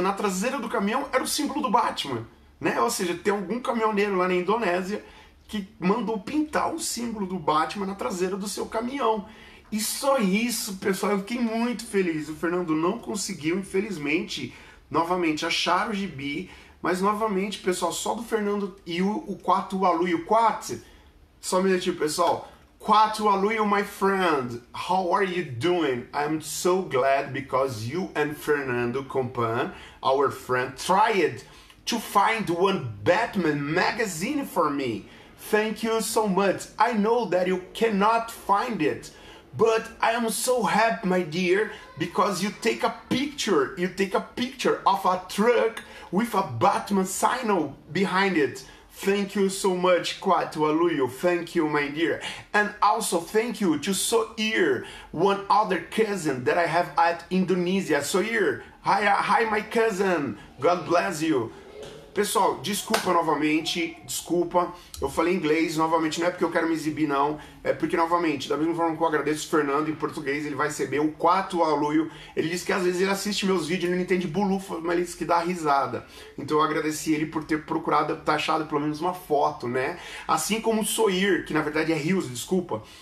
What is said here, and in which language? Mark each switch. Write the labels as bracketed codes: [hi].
[pt] Na traseira do caminhão era o símbolo do Batman, né? Ou seja, tem algum caminhoneiro lá na Indonésia que mandou pintar o símbolo do Batman na traseira do seu caminhão. E só isso, pessoal, eu fiquei muito feliz. O Fernando não conseguiu, infelizmente, novamente, achar o gibi. Mas, novamente, pessoal, só do Fernando e o Quatu, o Alu e o Quat. Só um minutinho, pessoal. [en] Quatro Aluio, my friend. How are you doing? I'm so glad because you and Fernando Compan, our friend, tried to find one Batman magazine for me. Thank you so much. I know that you cannot find it, but I am so happy, my dear, because you take a picture. You take a picture of a truck with a Batman sign behind it. Thank you so much, Quatro Aluio. Thank you, my dear. And also thank you to Soir, one other cousin that I have at Indonesia. Soir, hi, my cousin. God bless you. [pt] Pessoal, desculpa novamente, desculpa, eu falei inglês novamente, não é porque eu quero me exibir não, é porque novamente, da mesma forma que eu agradeço o Fernando em português, ele vai receber o Quatro Aluio, ele disse que às vezes ele assiste meus vídeos e não entende bulufas, mas ele disse que dá risada, então eu agradeci ele por ter procurado, tá achado pelo menos uma foto, né, assim como o Soir, que na verdade é Rios, desculpa,